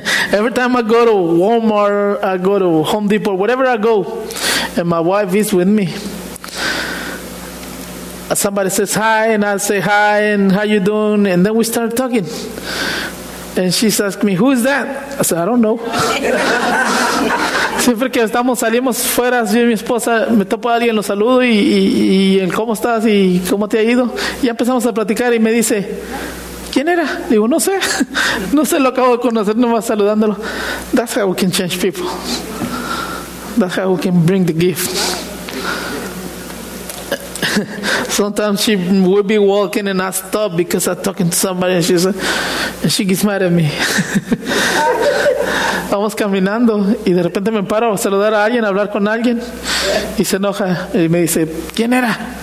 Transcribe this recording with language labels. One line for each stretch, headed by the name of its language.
English: Every time I go to Walmart, I go to Home Depot, wherever I go, and my wife is with me, somebody says hi, and I say hi, and how you doing, and then we start talking. And she's asking me, who is that? I said, I don't know.
Spanish: Siempre que estamos, salimos fuera, yo y mi esposa, me topo a alguien, lo saludo, y ¿cómo estás? ¿Y cómo te ha ido? Y empezamos a platicar, y me dice, ¿quién era? Digo, no sé, lo acabo de conocer, nomás saludándolo.
English: That's how we can change people. That's how we can bring the gift. Sometimes she will be walking and I stop because I'm talking to somebody and she gets mad at me.
Spanish: Vamos caminando y de repente me paro a saludar a alguien, a hablar con alguien, y se enoja y me dice, ¿quién era?